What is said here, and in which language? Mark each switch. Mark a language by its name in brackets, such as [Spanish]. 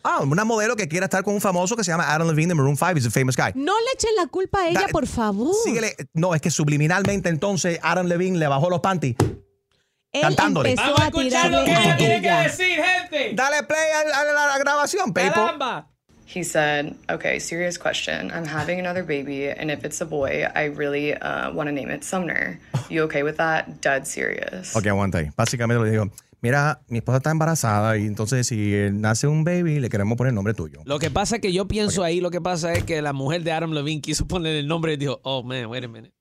[Spanish] Ah, una modelo que quiere estar con un famoso que se llama Adam Levine de Maroon 5. [English] He's a famous guy. [Spanish] No le echen la culpa a ella, por favor. Síguele. No, es que subliminalmente entonces Adam Levine le bajó los panties. Él cantándole. Empezó vamos a escuchar lo que ella tiene que decir, gente. Dale play a la grabación, people. Caramba. [English] He said, okay, serious question. I'm having another baby, and if it's a boy, I really want to name it Sumner. You okay with that? Dead serious. [Spanish] Okay, aguanta ahí. Básicamente le digo, mira, mi esposa está embarazada, y entonces si nace un baby, le queremos poner el nombre tuyo. Lo que pasa es que yo pienso ahí, lo que pasa es que la mujer de Adam Levine quiso poner el nombre y dijo, [English] oh, man, wait a minute.